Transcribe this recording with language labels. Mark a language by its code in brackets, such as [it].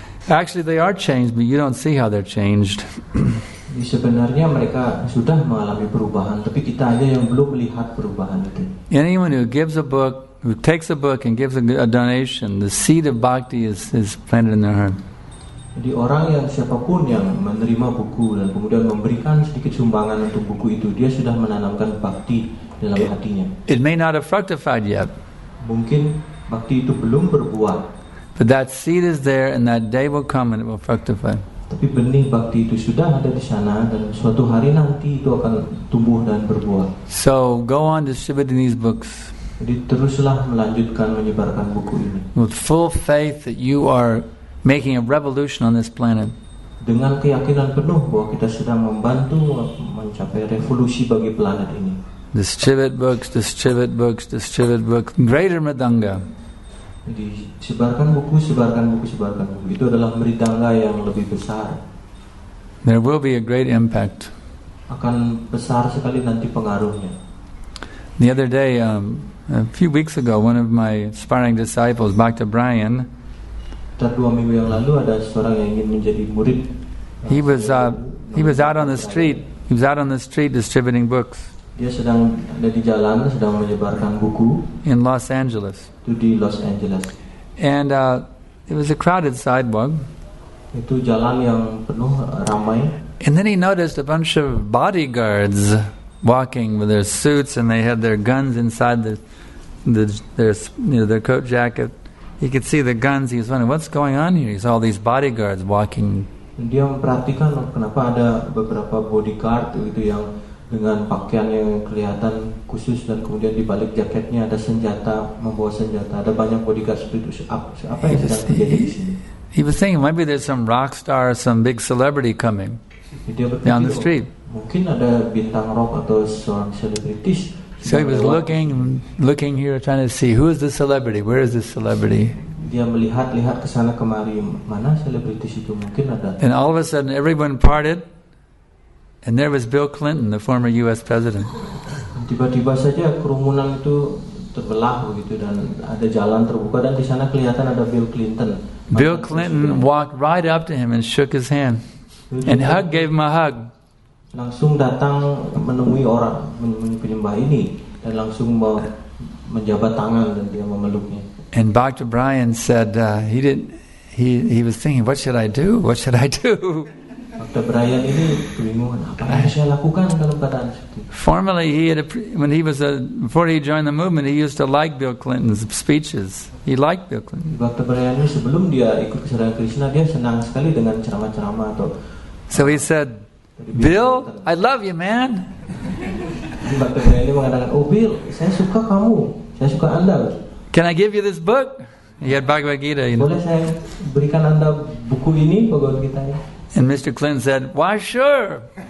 [en] Actually, they are changed, but you don't see how they're changed. [id] Sebenarnya mereka sudah mengalami perubahan, tapi kita aja yang belum melihat perubahan itu. [en] Anyone who gives a book, who takes a book and gives a donation, the seed of bhakti is planted in their heart. [id] Jadi orang yang siapapun yang menerima buku dan kemudian memberikan sedikit sumbangan untuk buku itu, dia sudah menanamkan bhakti dalam hatinya. [en] It may not have fructified yet. [id] Mungkin bhakti itu belum berbuah. [en] But that seed is there, and that day will come and it will fructify. [id] Tapi benih bakti itu sudah ada di sana dan suatu hari nanti itu akan tumbuh dan berbuah. [en] So go on distributing these books. [id] Jadi teruslah melanjutkan menyebarkan buku ini. [en] With full faith that you are making a revolution on this planet. [id] Dengan keyakinan penuh bahwa kita sedang membantu mencapai revolusi bagi planet ini. [en] Distribute books, distribute books, distribute books. Greater Madanga. [id] Disebarkan buku, sebarkan buku, sebarkan buku. Itu adalah meridangga yang lebih besar. [en] There will be a great impact. [id] Akan besar sekali nanti pengaruhnya. [en] The other day, a few weeks ago, one of my aspiring disciples, Bhakta Brian. [id] Dua minggu yang lalu ada seorang yang ingin menjadi murid. [en] He was out on the street. He was out on the street distributing books. [id] Dia sedang ada di jalan, sedang menyebarkan buku. [en] In Los Angeles. [id] Itu di Los Angeles. [en] And it was a crowded sidewalk. [id] Itu jalan yang penuh ramai. [en] And then he noticed a bunch of bodyguards walking with their suits, and they had their guns inside their coat jacket. He could see the guns. He was wondering, what's going on here? He saw all these bodyguards walking. [id] Dia memperhatikan kenapa ada beberapa bodyguard itu yang dengan pakaian yang kelihatan khusus dan kemudian di balik jaketnya ada senjata, membawa senjata. Ada banyak bodyguard seperti itu. Apa yang sedang terjadi di sini? [en] He was thinking maybe there's some rock star or some big celebrity coming down the street. [id] Mungkin ada bintang rock atau seorang selebritis. [en] So he was looking here, trying to see who is the celebrity, where is this celebrity? [id] Dia melihat-lihat ke sana kemari, mana selebritis itu mungkin ada. [en] And all of a sudden everyone parted. And there was Bill Clinton, the former U.S. president. [id] Tiba-tiba saja kerumunan itu terbelah begitu dan ada jalan terbuka dan di sana kelihatan ada Bill Clinton. [en] Bill Clinton walked right up to him and shook his hand and gave him a hug. [id] Langsung datang menemui orang penyembah ini dan langsung mau menjabat tangan dan dia memeluknya. [en] And Dr. Brian said he was thinking, what should I do? What should I do? [id] Dr. Brian ini kebingungan. Apa yang saya lakukan dalam keadaan seperti ini? [en] Formerly, before he joined the movement, he used to like Bill Clinton's speeches. He liked Bill Clinton. Dr. [id] Brian ini sebelum dia ikut serangan Krishna, dia senang sekali dengan ceramah-ceramah atau. [en] So he said, Bill, I love you, man. [id] Dr. Brian ini mengatakan, oh Bill, saya suka kamu, saya suka anda. [en] Can I give you this book? He had Bhagavad Gita. [id] Boleh saya berikan anda buku ini Bhagavad Gita ini? [en] And Mr. Clinton said, "Why, sure."